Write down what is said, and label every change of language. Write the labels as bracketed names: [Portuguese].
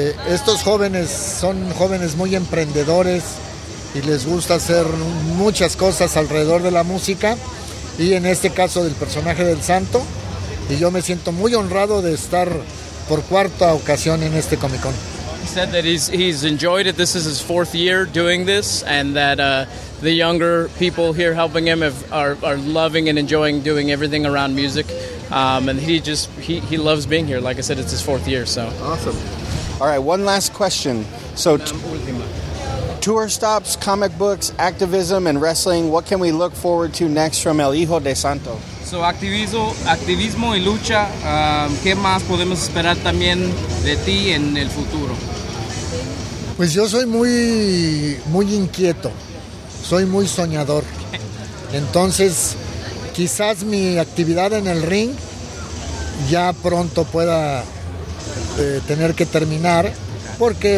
[Spanish] Estos jóvenes son jóvenes muy emprendedores. Y les gusta hacer muchas cosas alrededor de la música y en este caso del personaje del Santo, y yo me siento muy honrado de estar por cuarta ocasión en este Comic-Con. [English] He said that he's enjoyed it. This is his fourth year doing this, and that the younger people here helping him are loving and enjoying doing everything around music, and he loves being here. Like I said, it's his fourth year, so awesome. All right, one last question. So tour stops, comic books, activism, and wrestling. What can we look forward to next from El Hijo de Santo? [Spanish] So activismo y lucha, ¿qué más podemos esperar también de ti en el futuro? Pues yo soy muy, muy inquieto, soy muy soñador. Entonces, quizás mi actividad en el ring ya pronto pueda tener que terminar. ¿Por qué?